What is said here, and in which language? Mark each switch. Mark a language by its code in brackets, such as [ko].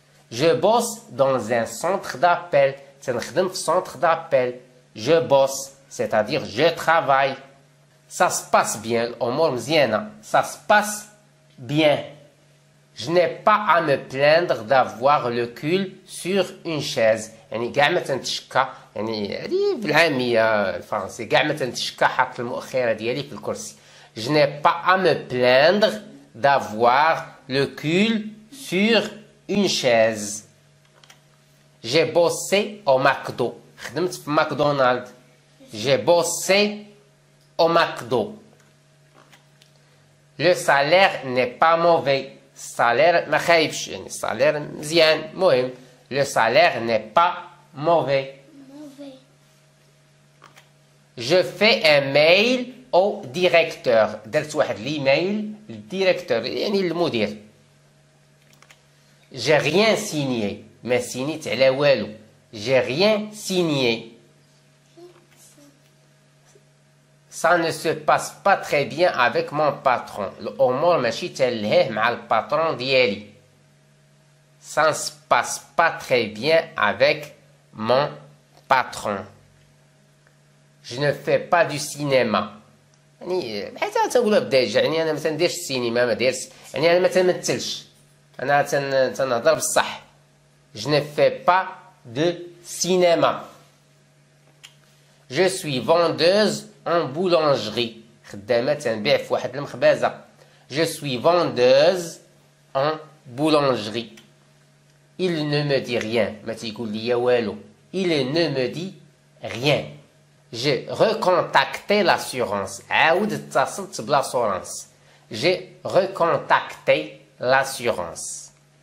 [fr] Je bosse dans un centre d'appel. [ar] تنخدم في سونتر دابيل. [fr] Je bosse, c'est-à-dire je travaille. Ça se passe bien, [ar] الأمور مزيانة. [fr] Ça se passe bien. Je n'ai pas à me plaindre d'avoir le cul sur une chaise. [ar] يعني كاع ما تنتشكى، يعني هذه بالعامية الفرنسية، كاع ما تنتشكى حاط المؤخرة ديالي في الكرسي. [fr] Je n'ai pas à me plaindre d'avoir le cul sur une chaise. J'ai bossé au McDo. [ar] خدمت في ماكدونالد. [fr] J'ai bossé au McDo. Le salaire n'est pas mauvais. [ar] Salaire ما خايبش، يعني السالير مزيان، مهم. [fr] Le salaire n'est pas mauvais. Je fais un mail au directeur. [ar] درت واحد ليميل للديريكتور، يعني المدير. [fr] J'ai rien signé. [ar] ما سينيت على والو. [fr] J'ai rien signé. Ça ne se passe pas très bien avec mon patron. [ar] L'homor ماشي تلهيه مع الباترون ديالي. [fr] Ça ne se passe pas très bien avec mon patron. Je ne fais pas du cinéma. [ar] يعني حتى تنقولها بداجة، يعني أنا ما تنديرش السينما، ما دايرش، يعني أنا ما تنمثلش. أنا تنهضر بصح. [fr] Je ne fais pas de cinéma. Je suis vendeuse en boulangerie. [ar] خدامة تنبيع في واحد المخبازة. [fr] Je suis vendeuse en boulangerie. Il ne me dit rien. [ar] ما تيقول ليا والو. [fr] Il ne me dit rien. J'ai recontacté l'assurance. [ar] عاود اتصلت بلاسورانس. [fr] J'ai recontacté l'assurance.